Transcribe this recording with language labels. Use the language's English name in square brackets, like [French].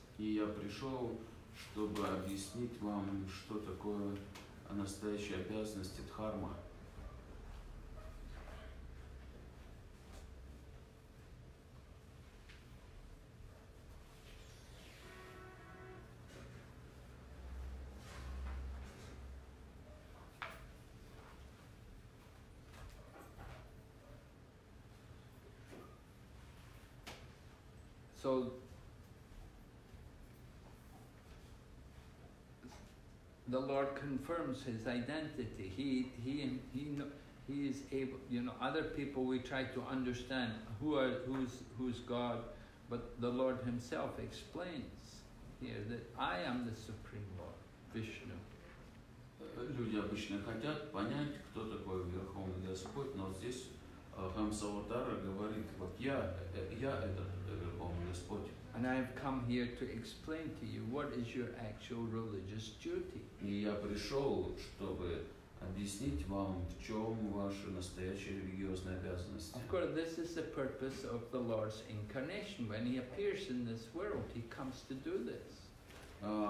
[Russian] И я пришел, чтобы объяснить вам, что такое настоящая обязанность дхарма. [English] So the Lord confirms his identity. He is able, you know, other people we try to understand who's God, but the Lord himself explains here that I am the Supreme Lord, Vishnu. [Russian] Люди обычно хотят понять, кто такой Верховный Господь, но здесь Хамсаватара говорит, вот я этот Верховный Господь. [English] And I have come here to explain to you what is your actual religious duty. [Russian] И я пришел, чтобы объяснить вам, в чем ваша настоящая религиозная обязанность. [English] Of course, this is the purpose of the Lord's incarnation. When he appears in this world, he comes to do this.